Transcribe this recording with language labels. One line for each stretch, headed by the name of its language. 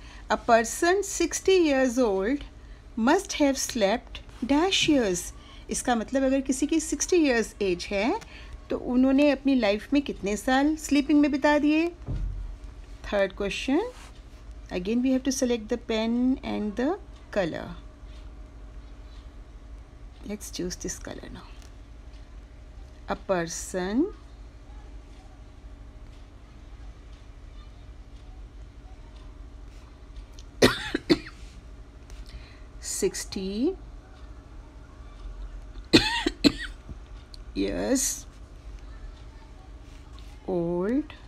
English: A person 60 years old must have slept dash years.
Hindi: इसका मतलब अगर किसी की 60 years age है, तो उन्होंने अपनी life में कितने साल sleeping में बिता दिए?
English: Third question. Again we have to select the pen and the color. Let's choose this color now. A person 60 years old